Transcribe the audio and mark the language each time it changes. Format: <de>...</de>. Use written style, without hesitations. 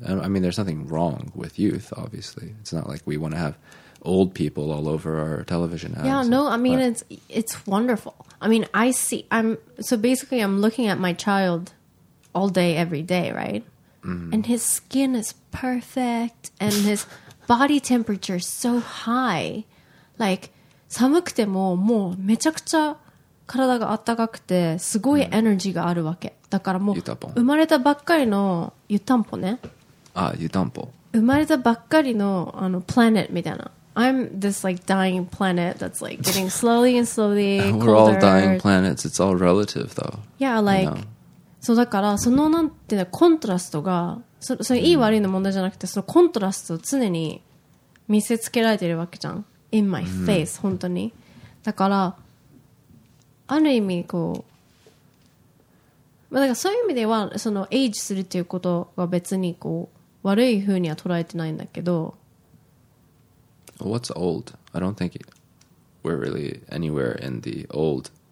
<en>I mean, there's nothing wrong with youth, obviously. It's not like we want to have old people all over our television ads. Yeah, no, I mean, it's wonderful. I mean, I see, I'm looking at my child all day, every day, right? And his skin is perfect, and his body temperature is so high.</en> <ja>Like, 寒くてももうめちゃくちゃ体が温かくてすごいエネルギーがあるわけ。だからもう生まれたばっかりの湯たんぽね。あ、湯たんぽ。生まれたばっかりのあのプラネットみたいな。</ja> <en>I'm this like dying planet that's like getting slowly and slowly colder. We're all dying planets. It's all relative, though. Yeah, like, so</en> <ja>だからそのなんていうのコントラストが、それいい悪いの問題じゃなくて、そのコントラストを常に見せつけられてるわけじゃん。</ja> <en>In my face,</en> <ja>本当に。だからある意味こう、まあだからそういう意味ではそのエイジするっていうことは別にこう悪いふうには捉えてないんだけど。</ja> <en>What's old? I don't think we're really anywhere in the old.</en>